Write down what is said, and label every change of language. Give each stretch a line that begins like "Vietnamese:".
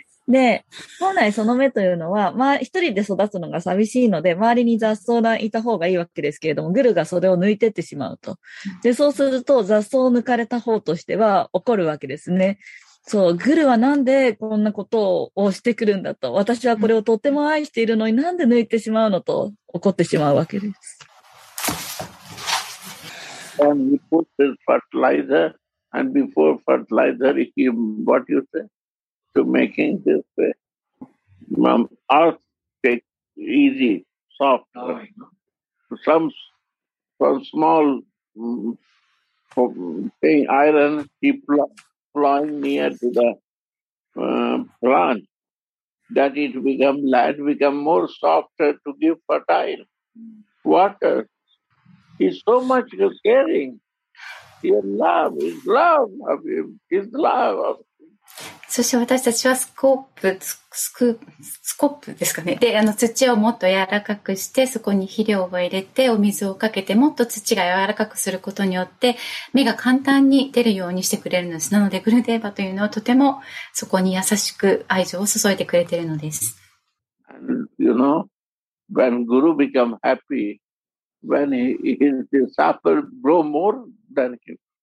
Japanese: で、本来その芽というのは、まあ、一人で育つのが寂しいので、周りに雑草がいた方がいいわけですけれども、グルがそれを抜いてってしまうと。で、そうすると雑草を抜かれた方としては怒るわけですね。そう、グルはなんでこんなことをしてくるんだと。私はこれをとても愛しているのになんで抜いてしまうのと怒ってしまうわけです。
English: And he puts his fertilizer, and before fertilizer, he, what you say? To making this way, earth take easy, soft. Some small thing, iron, keep flying near to the plant, that it become land, become more softer to give fertile water. He's so much caring. His love, his love of him, his love of him. So
Japanese: そして私たちはスコップですかね。で、土をもっと柔らかくして、そこに肥料を入れて、お水をかけて、もっと土が柔らかくすることによって、芽が簡単に出るようにしてくれるのです。なので、グルデーバというのはとてもそこに優しく愛情を注いでくれているのです。
English: You know, when Guru become happy, when he suffer, grow more than him.